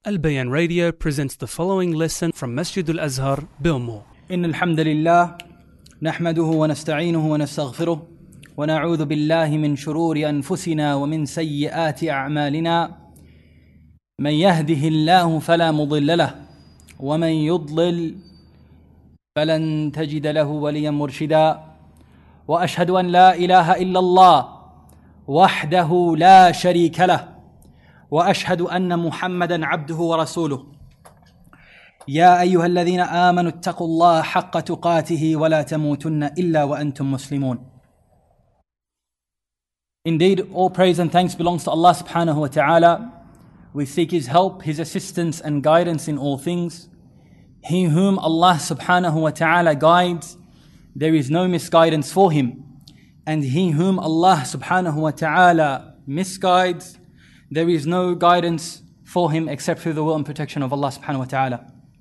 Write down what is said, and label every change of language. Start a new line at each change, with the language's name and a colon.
English: البيان radio presents the following lesson from مسجد الأزهر بأمه.
Arabic: إن الحمد لله نحمده ونستعينه ونستغفره ونعوذ بالله من شرور أنفسنا ومن سيئات أعمالنا. من يهده الله فلا مضل له ومن يضلل فلن تجد له وليا مرشدا. وأشهد أن لا إله إلا الله وحده لا شريك له وأشهد أن محمدًا عبده ورسوله. يا أيها الذين آمنوا اتقوا الله حق تقاته ولا تموتن إلا وأنتم مسلمون.
English: Indeed, all praise and thanks belongs to Allah subhanahu wa ta'ala. We seek His help, His assistance and guidance in all things. He whom Allah subhanahu wa ta'ala guides, there is no misguidance for him. And he whom Allah subhanahu wa ta'ala misguides, there is no guidance for him except through the will and protection of Allah subhanahu wa ta'ala.